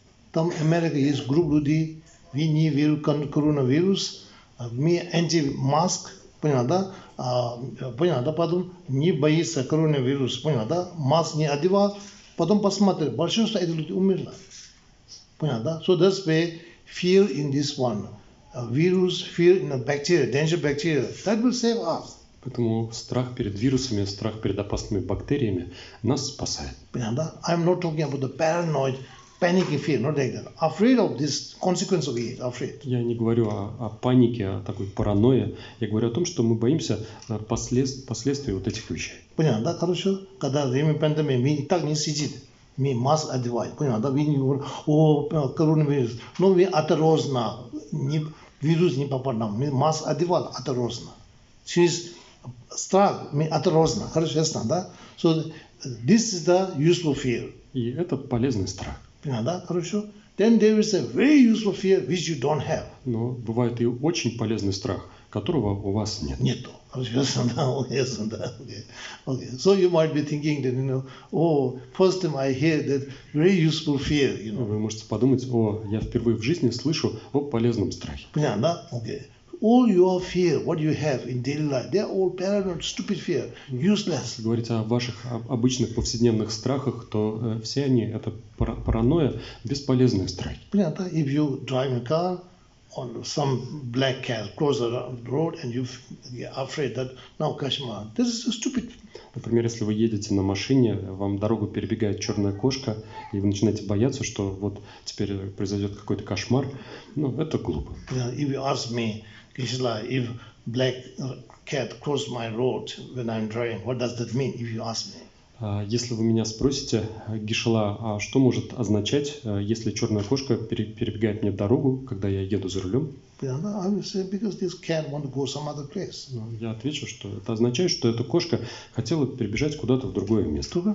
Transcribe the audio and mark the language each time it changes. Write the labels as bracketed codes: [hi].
[ru] Там в Америке есть группа людей, [en] we need coronavirus, me anti-mask, [ru] понятно, да, потом не боится коронавируса, понятно, да, маск не одевал, потом посмотрели, большинство этих людей умерло. Понятно, да? [en] So that's where fear in this one. Virus, fear in the bacteria, danger bacteria, that will save us. [ru] Поэтому страх перед вирусами, страх перед опасными бактериями нас спасает. Понятно, да? [en] I'm not talking about the paranoid, panicky fear, not like that. Afraid of this consequence of it, afraid. [ru] Я не говорю о панике, о такой паранойе. Я говорю о том, что мы боимся последствий вот этих вещей. Понятно, да? Хорошо. Когда время пандемии, мы так не сидим. Мы маску одеваем, понятно, да? Мы не говорим, о, коронавирус. Но мы осторожно, вирус не попал нам. Мы маску одеваем осторожно. Через страх мы осторожно, хорошо, ясно, да? [en] So, this is the useful fear. [ru] И это полезный страх. Понятно, да? Хорошо. [en] Then there is a very useful fear which you don't have. [ru] Но бывает и очень полезный страх, которого у вас нет. Нету. [en] So you might be thinking that, you know, oh, first time I hear that very useful fear, you know. [ru] Вы можете подумать, о, я впервые в жизни слышу о полезном страхе. Понятно, okay. [en] All your fear, what you have in daily life, they're all paranoid, stupid fear, useless. [ru] Если говорить о ваших обычных повседневных страхах, то все они это паранойя, бесполезные страхи. Понятно, [en] if you drive a car on some black cat cross the road and you're afraid that now Kashmir, this is a stupid. [ru] Например, если вы едете на машине, вам дорогу перебегает черная кошка, и вы начинаете бояться, что вот теперь произойдет какой-то кошмар, ну, это глупо. [en] Yeah, if you ask me, Kishla, if black cat cross my road when I'm driving, what does that mean, if you ask me? [ru] Если вы меня спросите, Гишела, а что может означать, если черная кошка перебегает мне дорогу, когда я еду за рулем? Я отвечу, что это означает, что эта кошка хотела перебежать куда-то в другое место.